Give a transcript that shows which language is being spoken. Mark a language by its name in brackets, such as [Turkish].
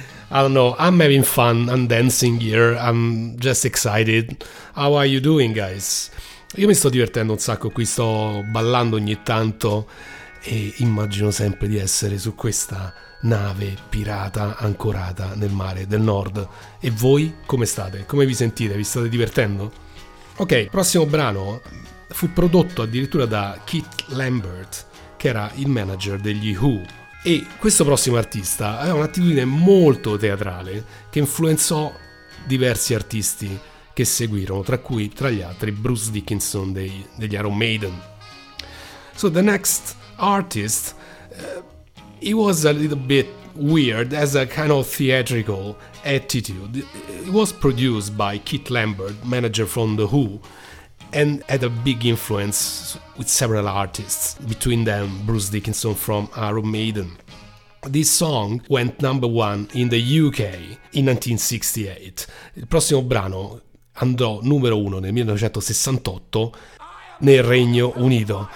[English] I don't know, I'm having fun, I'm dancing here, I'm just excited. How are you doing, guys? [Italian] Io mi sto divertendo un sacco qui, sto ballando ogni tanto e immagino sempre di essere su questa nave pirata ancorata nel mare del nord. E voi come state? Come vi sentite? Vi state divertendo? Ok, prossimo brano fu prodotto addirittura da Keith Lambert, che era il manager degli Who. E questo prossimo artista aveva un'attitudine molto teatrale che influenzò diversi artisti che seguirono, tra cui, tra gli altri, Bruce Dickinson degli Iron Maiden. [English] So the next artist, he was a little bit weird, as a kind of theatrical attitude. It was produced by Keith Lambert, manager from The Who, and had a big influence with several artists, between them Bruce Dickinson from Iron Maiden. This song went number one in the UK in 1968. [Italian] Il prossimo brano andò numero uno nel 1968 nel Regno Unito.